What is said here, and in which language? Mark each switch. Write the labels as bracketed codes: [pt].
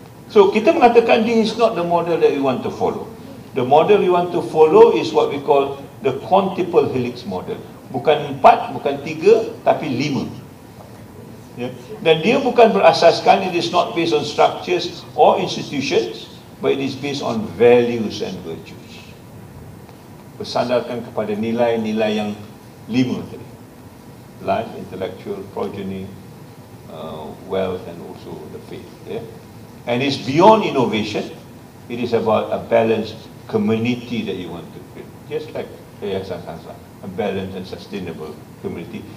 [en] So, [ms] kita mengatakan [en] this is not the model that we want to follow. The model we want to follow is what we call the quintuple helix model. [ms] Bukan 4, bukan 3, tapi 5. Yeah. Dan dia bukan berasaskan, [en] it is not based on structures or institutions, but it is based on values and virtues. [ms] Bersandarkan kepada nilai-nilai yang 5 tadi. [en] Life, intellectual, progeny, wealth and also the faith. Yeah? And it's beyond innovation. It is about a balanced community that you want to create. Just like Yayasan Hasanah, a balanced and sustainable community.